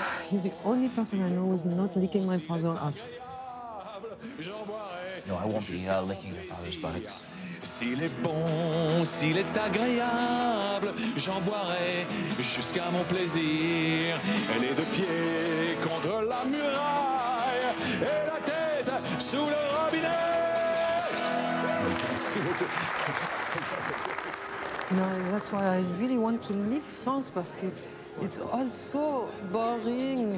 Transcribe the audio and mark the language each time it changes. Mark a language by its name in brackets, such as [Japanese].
[English] You're the only person I know who's not licking my father's ass. No, I won't be licking your father's buttocks. [French] S'il est bon, s'il est agréable, j'en boirai jusqu'à mon plaisir. Les deux pieds contre la muraille et la tête sous le robinet. [English] No, that's why I really want to leave France, because it's all so boring.